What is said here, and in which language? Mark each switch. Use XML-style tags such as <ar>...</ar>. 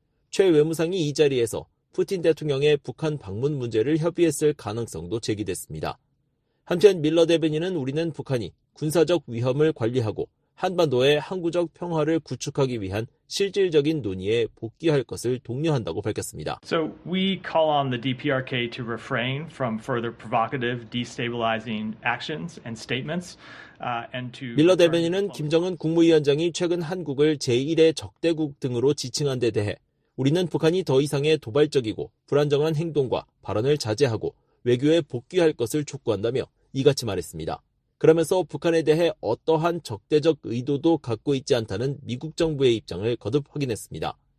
<ko>최 외무상이 이 자리에서 푸틴 대통령의 북한 방문 문제를 협의했을 가능성도 제기됐습니다. 한편 밀러 대변인은 우리는 북한이 군사적 위험을 관리하고 한반도의 항구적 평화를 구축하기 위한 실질적인 논의에 복귀할 것을 독려한다고 밝혔습니다.</ko> <en>So we call on the DPRK to refrain from further provocative destabilizing actions and statements.</en> <ko>밀러 대변인은 김정은 국무위원장이 최근 한국을 제1의 적대국 등으로 지칭한 데 대해 우리는 북한이 더 이상의 도발적이고 불안정한 행동과 발언을 자제하고 외교에 복귀할 것을 촉구한다며 이같이 말했습니다. 그러면서 북한에 대해 어떠한 적대적 의도도 갖고 있지 않다는 미국 정부의 입장을 거듭 확인했습니다.</ko>